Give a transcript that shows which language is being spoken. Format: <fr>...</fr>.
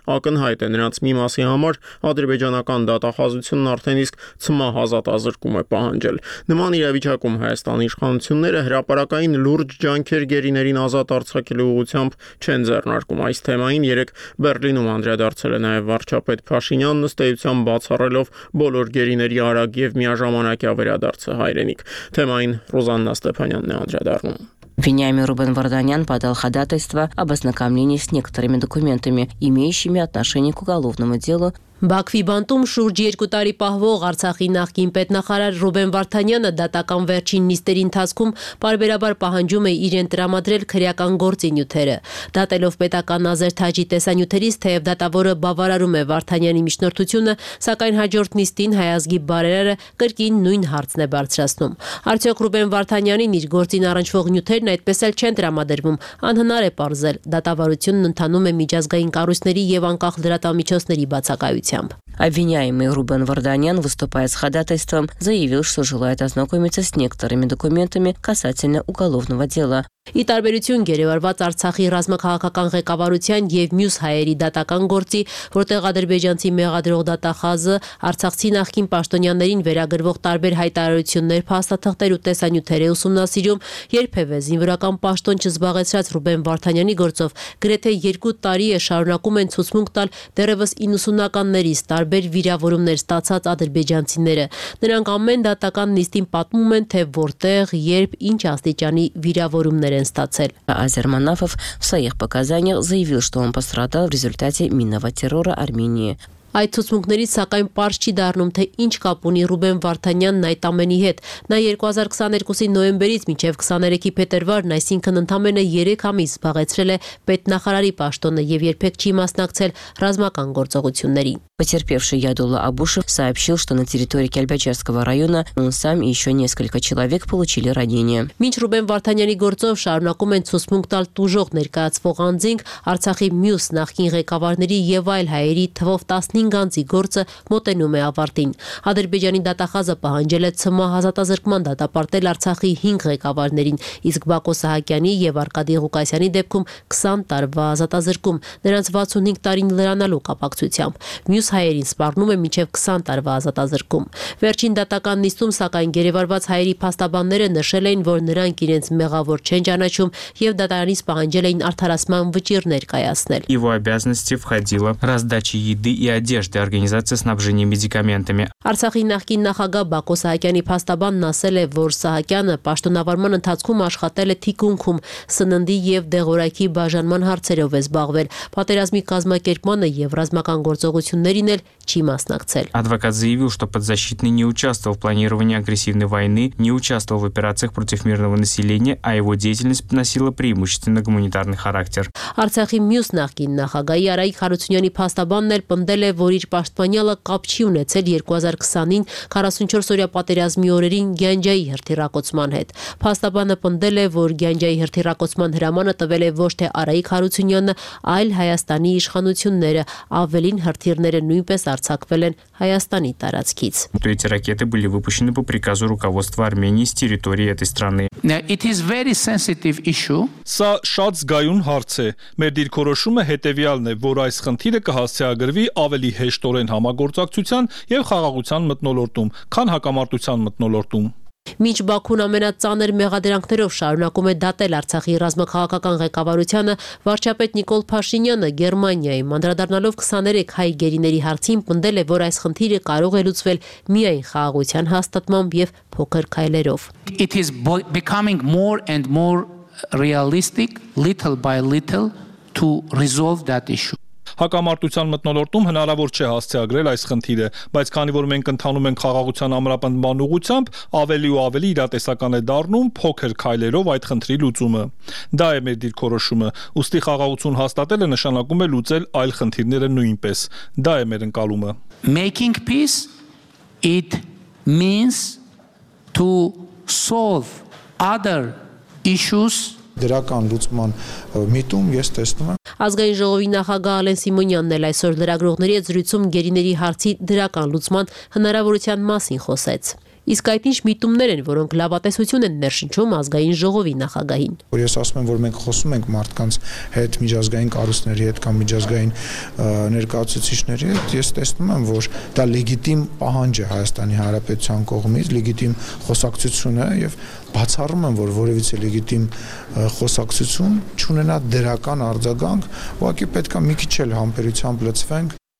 <hy>ակնհայտ է նրանց մի մասի համար, ադրբեջանական դատախազությունն արդեն իսկ ցմահազատ ազրկում է պահանջել։ Նման իրավիճակում Հայաստանի իշխանությունները հրապարակային լուրջ ջանքեր գերիներին ազատ արձակելու ուղղությամբ չեն ձեռնարկում։ Այս թեմային երեկ Բեռլինում անդրադարձել է նաև վարչապետ Փաշինյանն, ըստեյության բացառելով բոլոր գերիների արագ և միաժամանակյա վերադարձը հայրենիք։ Թեմային Ռոզաննա Ստեփանյանն է անդրադառնում։</hy> <ru>Виняемый Рубен Варданян подал ходатайство об ознакомлении с некоторыми документами, имеющими отношение к уголовному делу.</ru> <hy>Բաքվի բանտում շուրջ երկու տարի պահվող Արցախի նախկին պետնախարար Ռուբեն Վարդանյանը դատական վերջին նիստերի ընթացքում պարբերաբար պահանջում է իրեն տրամադրել քրեական գործի նյութերը։ Դատելով պետական ազերթաճի տեսանյութերից, թեև դատավորը բավարարում է Վարդանյանի միջնորդությունը, սակայն հաջորդ նիստին հայազգի բարերարը կրկին նույն հարցն է բարձրացնում. Արդյոք Ռուբեն Վարդանյանին իր գործին առնչվող նյութերն այդպես էլ չեն տրամադրվում, անհնար է պարզել, դատավարությունն ընդնանում է միջազգային կառույցների և անկախ լրատվամիջոցների բացակայություն։ ազատությամբ։</hy> <ru>Обвиняемый Рубен Варданян, выступая с ходатайством, заявил, что желает ознакомиться с некоторыми документами касательно уголовного дела.</ru> <hy>И տարբերություն գերեվարված Արցախի ռազմաքաղաքական ղեկավարության և մյուս հայերի դատական գործի, որտեղ ադրբեջանցի մեղադրող դատախազը արցախցի նախկին պաշտոնյաներին վերագրվող տարբեր հայտարարություններ, փաստաթղթեր ու տեսանյութեր է ուսումնասիրում, երբևէ զինվորական պաշտոն չզբաղեցրած Ռուբեն Վարդանյանի գործով գրեթե 2 տարի է շարունակում են ցուցմունք տալ դեռևս 90-ականներից տարբեր վիրավորումներ ստացած ադրբեջանցիները։ Նրանք ամեն դատական նիստին պատմում են, թե որտեղ, երբ, ինչ աստիճանի վիրավորում</hy> <ru>Азерманафов в своих показаниях заявил, что он пострадал в результате минного террора Армении.</ru> <hy>Այդ ցուցմունքներից սակայն պարզ չի դառնում, թե ինչ կապ ունի Ռուբեն Վարդանյանն այդ ամենի հետ։ Նա 2022-ի նոյեմբերից մինչև 23-ի փետրվարն, այսինքն ընդամենը 3 ամիս զբաղեցրել է պետնախարարի պաշտոնը և երբեք չի մասնակցել ռազմական գործողություններին։</hy> <ru>Потерпевший Ядулла Абушев сообщил, что на территории Кельбачевского района он сам и еще несколько человек получили ранения.</ru> <hy>Մինչ Ռուբեն Վարդանյանի գործով շարունակում են ցուցմունք տալ դժոխ ներկայացվող անձինք, Արցախի մյուս նախկին ղեկավարների և այլ հայերի թվով 15 անձի գործը մոտենում է ավարտին։ Ադրբեջանի դատախազը պահանջել է ցմահազատազրկման դատապարտել Արցախի 5 ղեկավարներին, իսկ Բակո Սահակյանի և Արկադի Ղուկասյանի դեպքում 20 տարվա ազատազրկում, նրանց 65 տարին լրանալու կապակցությամբ։ Մյուս հայերին սպառնում է մինչև 20 տարվա ազատազրկում։ Վերջին դատական նիստում, սակայն, գերեվարված հայերի փաստաբանները նշել էին, որ նրանք իրենց մեղավոր չեն ճանաչում և դատարանից պահանջել էին արդարացման վճիռ ներկայացնել։</hy> <ru>Его обязанности входило раздача еды и одежды, организация снабжения медикаментами.</ru> <hy>Արցախի նախկին նախագահ Բակո Սահակյանի փաստաբանն ասել է, որ Սահակյանը պաշտոնավարման ընթացքում աշխատել է թիկունքում, սննդի և դեղորայքի բաժանման հարցերով է զբաղվել։ Պատերազմի կազմակերպմանը և ռազմական գործողություններին էլ չի մասնակցել։</hy> <ru>Адвокат заявил, что подзащитный не участвовал в планировании агрессивной войны, не участвовал в операциях против мирного населения, а его деятельность носила преимущественно гуманитарный характер.</ru> <hy>Արցախի մյուս նախկին նախագահի Արայիկ Խարությունյանի փաստաբանն էլ պնդել է, որ իր պաշտպանյալը կապ չի ունեցել 2020-ին 44-օրյա պատերազմի օրերին Գյանջայի հրթիռակոցման հետ։ Փաստաբանը պնդել է, որ Գյանջայի հրթիռակոցման հրամանը տվել է ոչ թե Արայիկ Խարությունյանը, այլ Հայաստանի իշխանությունները, ավելին հրթիռները նույնպես արձակվել են Հայաստանի տարածքից։</hy> <ru>Эти ракеты были выпущены по приказу руководства Армении с территории этой страны.</ru> <en>It is very sensitive issue.</en> <hy>Սա շատ զգայուն հարց է։ Մեր դիրքորոշումը հետևյալն է, որ այս խնդիրը կհասցեագրվի ավելի հեշտորեն համագործակցության և խաղաղության մթնոլորտում, քան հակամարտության մթնոլորտում։ Մինչ Բաքուն ամենածանր մեղադրանքներով շարունակում է դատել Արցախի ռազմաքաղաքական ղեկավարությանը, վարչապետ Նիկոլ Փաշինյանը Գերմանիայի մանդրադառնալով 23 հայ գերիների հարցին պնդել է, որ այս խնդիրը կարող է լուծվել միայն խաղաղության հաստատմամբ և փոքր քայլերով։</hy> <en>It is becoming more and more realistic little by little to resolve that issue.</en> <hy>Հակամարտության մթնոլորտում հնարավոր չէ հասցեագրել այս խնդիրը, բայց քանի որ մենք ընդանում ենք խաղաղության ամրապնդման ուղղությամբ, ավելի ու ավելի իրատեսական է դառնում փոքր քայլերով այդ խնդրի լուծումը։ Դա է մեր դիրքորոշումը, ուստի խաղաղություն հաստատելը նշանակում է լուծել այլ խնդիրները նույնպես։ Դա է մեր ընկալումը։</hy> <en>Making peace it means to solve other issues.</en> <hy>Դրական լուծման միտում ես տեսնում եմ։ Ազգային ժողովի նախագահ Ալեն Սիմոնյանն էլ այսօր լրագրողների հետ զրույցում գերիների հարցի դրական լուծման հնարավորության մասին խոսեց։ Իսկ այդ ինչ միտումներ են, որոնք լավատեսություն են ներշնչում ազգային ժողովի նախագահին։ Որ ես ասում եմ, որ մենք խոսում ենք մարդկանց հետ, միջազգային կառույցների հետ կամ միջազգային ներկայացուցիչների հետ, ես տեսնում եմ, որ դա լեգիտիմ պահանջ է Հայաստանի Հանրապետության կողմից, լեգիտիմ խոսակցություն է, և բացառում եմ, որ որևիցե լեգիտիմ խոսակցություն չունենա դրական արձագանք, ուղղակի պետք է մի քիչ էլ համբերությամբ լցվենք։</hy>